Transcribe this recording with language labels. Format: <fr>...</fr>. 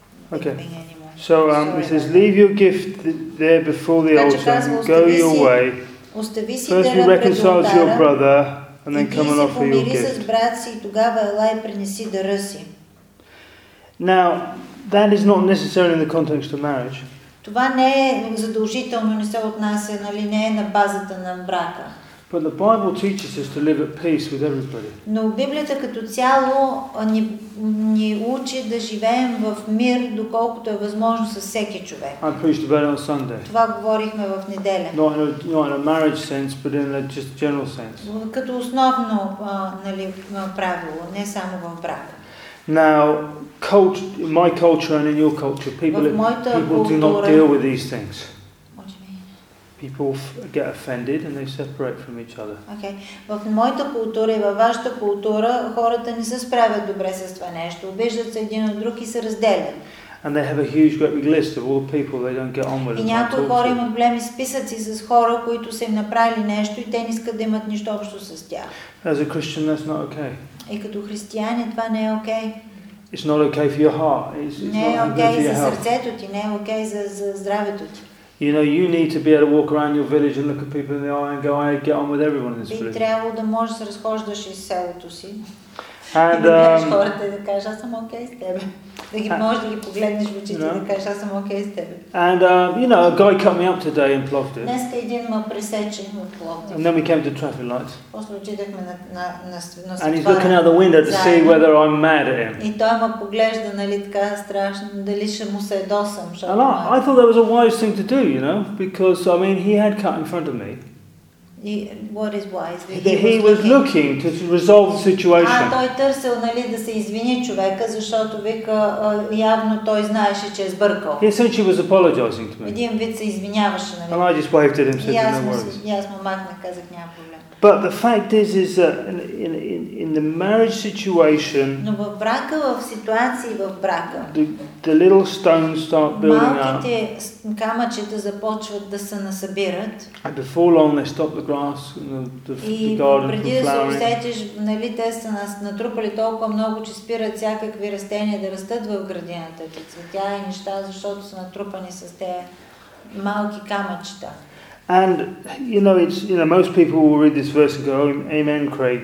<en>He's not gonna be anymore. So it says, leave your gift there before the altar, go your way. First you reconcile your brother, and then come and offer your gift.</en> <bg>Помири с брат си, тогава ела и принеси дъра си.</bg> <en>Now, that is not necessarily in the context of marriage.</en> <bg>Това не е задължително, не се отнася, нали, не е на базата на брака.</bg> <en>But the Bible teaches us to live at peace with everybody.</en> <bg>Но Библията като цяло ни учи да живеем в мир, доколкото е възможно със всеки човек.</bg> <en>I preached about it on Sunday.</en> <bg>Това говорихме в неделя.</bg> <en>Not in a marriage sense, but in a just general sense.</en> <bg>Като основно, нали, правило, не само в брака.</bg> <en>Now, culture, my culture and in your culture, people do not deal with these things. What do you mean? People get offended and they separate from each other. Okay.</en> <bg>В моята култура и във вашата култура хората не се справят добре с това нещо. Обиждат се един от друг и се разделят.</bg> <en>And they have a huge great big list of all the people they don't get on with.</en> <bg>И някои хора имат големи списъци с хора, които са им направили нещо и те не искат да имат нищо общо с тях.</bg> <en>As a Christian, that's not okay.</en> <bg>И като християни това не е окей.</bg> <en>It's not okay for your heart.</en> <bg>Не е окей за сърцето ти, не е окей за здравето ти.</bg> <en>You know, you need to be able to walk around your village and look at people in the eye and go, I get on with everyone in this village.</en> <bg>Би трябвало да можеш да се разхождаш из селото си.</bg> <en>And</en> <bg>хората да кажа, аз съм окей с тебе. Да ги можеш да ги погледнеш в очите, да кажеш, аз съм окей с тебе.</bg> <en>And you know, a guy cut me up today in Plovdiv.</en> <bg>Днеска един ме пресече в Пловдив.</bg> <en>And then we came to traffic lights.</en> <bg>После отидахме на светлината.</bg> <en>And he's looking out the window to see whether I'm mad at him.</en> <bg>И той ме поглежда, нали, така страшно, дали ще му се досам, защото.</bg> <en>I thought that was a wise thing to do, you know, because I mean, he had cut in front of me. what is wise? That he was looking to resolve the situation.</en> <bg>Той търсил, нали, да се извини човека, защото вика явно той знаеше, че е сбъркал.</bg> <en>He essentially was apologizing to me.</en> <bg>Един вид се извиняваше, нали?</bg> <en>And I just waved at him, said, no worries.</en> <bg>Аз му махнах, казах, няма проблем.</bg> <en>But the fact is that in the marriage situation,</en> <bg>но в брака, в ситуации в брака,</bg> <en>the little stones start building up.</en> <bg>Малките камъчета започват да се насъбират.</bg> <en>And before long, they stop the grass and the garden from flowering.</en> <bg>И преди да се усетиш, нали, те са натрупали толкова много, че спират всякакви растения да растат в градината, ти цветя и неща, защото са натрупани с тези малки камъчета.</bg> <en>And you know, it's, you know, most people will read this verse and go, "Amen, Craig."</en>